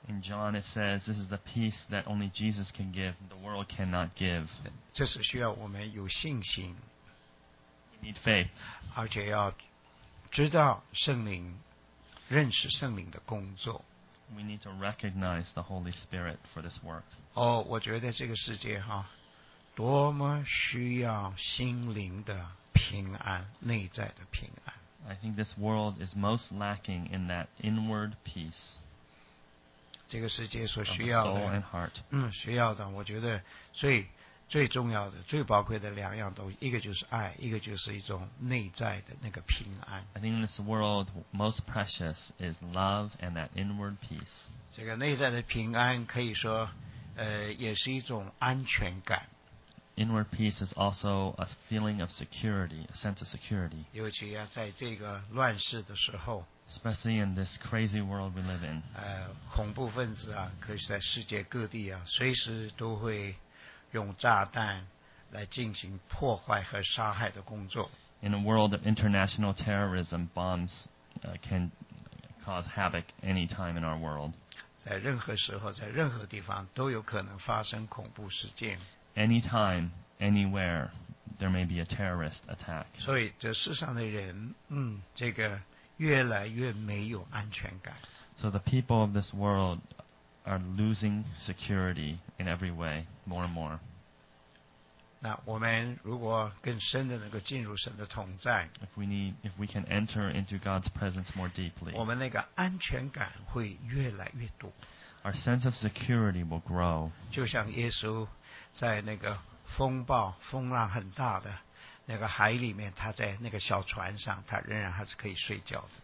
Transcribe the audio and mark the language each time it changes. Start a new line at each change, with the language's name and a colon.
English: In John, it says this is the peace that only Jesus can give, the world cannot give.
Chinese: 这是需要我们有信心。
English: We need faith.
Chinese: 而且要知道圣灵。认识圣灵的工作。
English: We need to recognize the Holy Spirit for this work.
Chinese: 哦，我觉得这个世界哈，多么需要心灵的平安，内在的平安。
English: I think this world is most lacking in that inward peace.
Chinese: 这个世界所需要的，
English: soul and heart.
Chinese: 需要的，我觉得最最重要的最宝贵的两样东西，一个就是爱，一个就是一种内在的那个平安。
English: I think in this world most precious is love and that inward peace.
Chinese: 这个内在的平安可以说也是一种安全感。
English: Inward peace is also a feeling of security, a sense of security.
Chinese: 尤其要在这个乱世的时候，
English: especially in this crazy world we live in.
Chinese: 恐怖分子啊，可以在世界各地啊，随时都会用炸弹来进行破坏和杀害的工作。
English: In a world of international terrorism, bombs can cause havoc any time in our world.
Chinese: 在任何时候，在任何地方都有可能发生恐怖事件。
English: Any time, anywhere, there may be a terrorist attack.
Chinese: 所以这世上的人，这个越来越没有安全感。
English: So the people of this world are losing security in every way, more and more.
Chinese: 那我们如果更深的能够进入神的同在，
English: if we can enter into God's presence more deeply,
Chinese: 我们那个安全感会越来越多。
English: Our sense of security will grow.
Chinese: 就像耶稣在那个风暴、风浪很大的那个海里面，他在那个小船上，他仍然还是可以睡觉的。